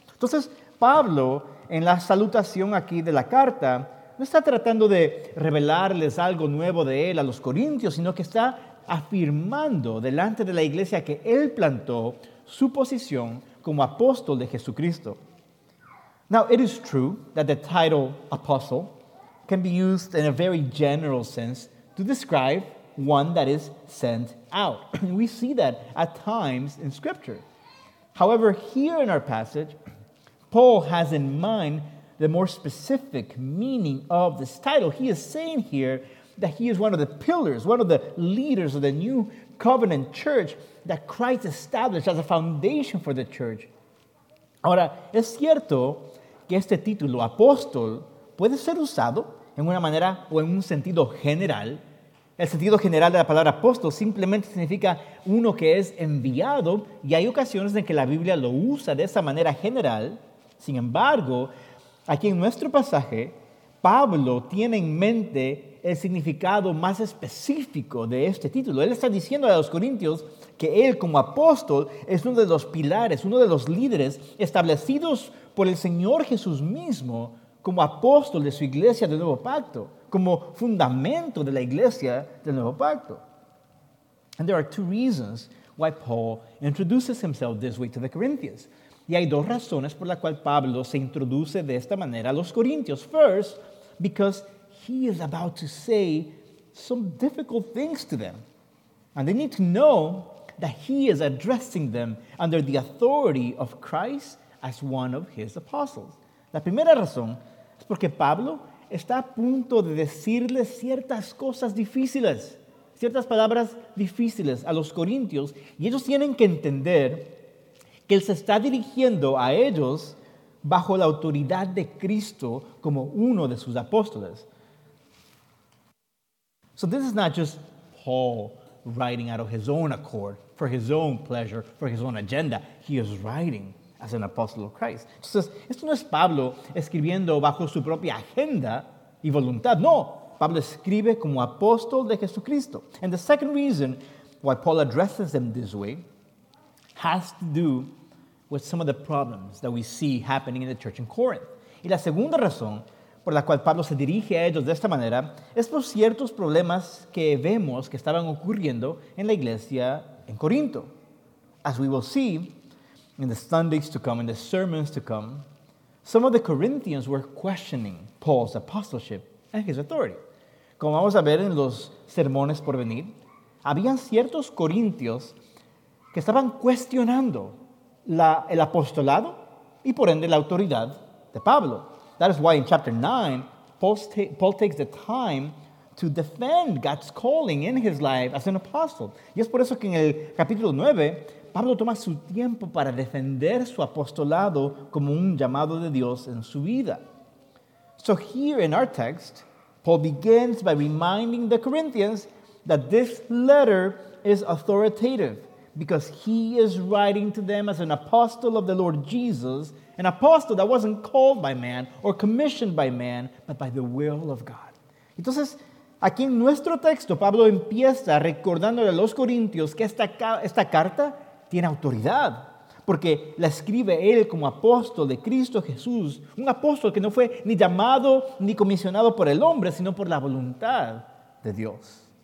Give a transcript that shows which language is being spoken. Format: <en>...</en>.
<es>Entonces, Pablo, en la salutación aquí de la carta, no está tratando de revelarles algo nuevo de él a los corintios, sino que está afirmando delante de la iglesia que él plantó su posición como apóstol de Jesucristo.</es> <en>Now, it is true that the title apostle can be used in a very general sense to describe one that is sent out. We see that at times in Scripture. However, here in our passage, Paul has in mind the more specific meaning of this title. He is saying here that he is one of the pillars, one of the leaders of the new covenant church that Christ established as a foundation for the church.</en> <es>Ahora, es cierto que este título, apóstol, puede ser usado en una manera o en un sentido general. El sentido general de la palabra apóstol simplemente significa uno que es enviado, y hay ocasiones en que la Biblia lo usa de esa manera general. Sin embargo, aquí en nuestro pasaje, Pablo tiene en mente el significado más específico de este título. Él está diciendo a los corintios que él, como apóstol, es uno de los pilares, uno de los líderes establecidos por el Señor Jesús mismo como apóstol de su iglesia del Nuevo Pacto, como fundamento de la iglesia del Nuevo Pacto.</es> <en>And there are two reasons why Paul introduces himself this way to the Corinthians.</en> <es>Y hay dos razones por las cuales Pablo se introduce de esta manera a los corintios.</es> <en>First, because he is about to say some difficult things to them. And they need to know that he is addressing them under the authority of Christ as one of his apostles.</en> <es>La primera razón es porque Pablo está a punto de decirles ciertas cosas difíciles, ciertas palabras difíciles a los corintios, y ellos tienen que entender que él se está dirigiendo a ellos bajo la autoridad de Cristo como uno de sus apóstoles.</es> <en>So this is not just Paul writing out of his own accord, for his own pleasure, for his own agenda. He is writing as an apostle of Christ.</en> <es>Entonces, esto no es Pablo escribiendo bajo su propia agenda y voluntad. No, Pablo escribe como apóstol de Jesucristo.</es> <en>And the second reason why Paul addresses them this way has to do with some of the problems that we see happening in the church in Corinth.</en> <es>Y la segunda razón por la cual Pablo se dirige a ellos de esta manera es por ciertos problemas que vemos que estaban ocurriendo en la iglesia en Corinto.</es> <en>As we will see in the Sundays to come, in the sermons to come, some of the Corinthians were questioning Paul's apostleship and his authority.</en> <es>Como vamos a ver en los sermones por venir, habían ciertos corintios que estaban cuestionando el apostolado y por ende la autoridad de Pablo.</es> <en>That is why in chapter 9, Paul takes the time to defend God's calling in his life as an apostle.</en> <es>Y es por eso que en el capítulo 9, Pablo toma su tiempo para defender su apostolado como un llamado de Dios en su vida.</es> <en>So here in our text, Paul begins by reminding the Corinthians that this letter is authoritative because he is writing to them as an apostle of the Lord Jesus, an apostle that wasn't called by man or commissioned by man, but by the will of God.</en> <es>Entonces, aquí en nuestro texto, Pablo empieza recordándole a los corintios que esta carta tiene autoridad, porque la escribe él como apóstol de Cristo Jesús, un apóstol que no fue ni llamado ni comisionado por el hombre, sino por la voluntad de Dios.</es>